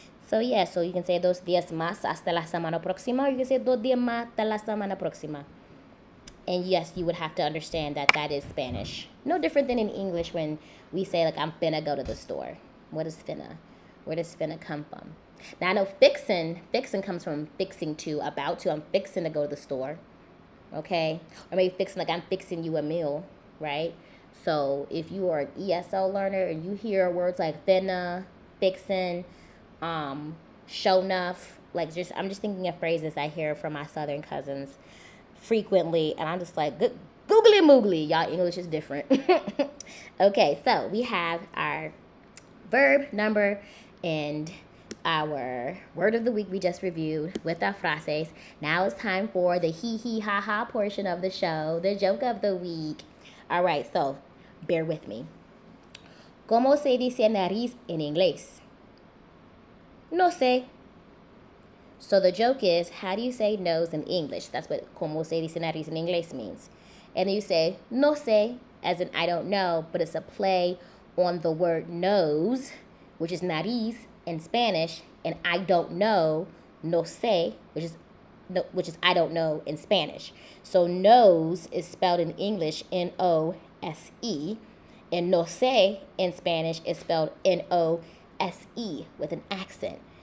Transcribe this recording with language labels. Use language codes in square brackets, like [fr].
[en] So, yeah, so you can say [es] dos días más hasta la semana próxima, [en] or you can say dos días más hasta la semana próxima. And yes, you would have to understand that that is Spanish. No different than in English when we say, like, I'm finna go to the store. What is finna? Where does finna come from? Now, I know fixin' comes from fixing to, about to. I'm fixin' to go to the store, okay? Or maybe fixin', like, I'm fixin' you a meal, right? So if you are an ESL learner and you hear words like finna, fixin', show enough, like, just, I'm just thinking of phrases I hear from my Southern cousins frequently, and I'm just like, googly moogly, y'all, English is different. Okay, so we have our verb, number, and our word of the week we just reviewed with our frases. Now it's time for the hee hee ha ha portion of the show, the joke of the week. All right, so bear with me. [es] ¿Cómo se dice nariz en inglés? No sé. [en] So the joke is, how do you say nose in English? That's what [es] ¿cómo se dice nariz en inglés [en] means. And then you say [es] no sé, [en] as in I don't know, but it's a play on the word nose, which is nariz in Spanish, and I don't know, no sé, which is I don't know in Spanish. So nose is spelled in English N-O-S-E, and [es] no sé [en] in Spanish is spelled N-O-S-E with an accent.